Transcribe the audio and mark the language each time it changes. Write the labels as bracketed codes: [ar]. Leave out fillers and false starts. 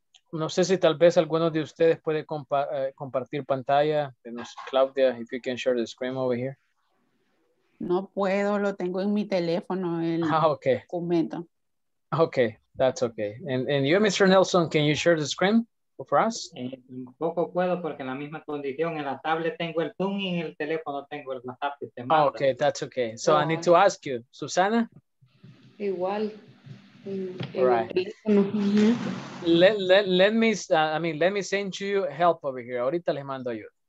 [es] No sé si tal vez alguno de ustedes puede compartir pantalla. [en] Claudia, if you can share the screen over here. [es] No puedo, lo tengo en mi teléfono, el documento. [en] Okay, that's okay. And you, Mr. Nelson, can you share the screen for us? [es] Un poco puedo porque en la misma condición en la tablet tengo el Zoom y en el teléfono tengo el WhatsApp. [en] Oh, okay, that's okay. So I need to ask you, Susana. [es] Igual. [en] Right. Let me send you help over here. [es] Ahorita les mando yo.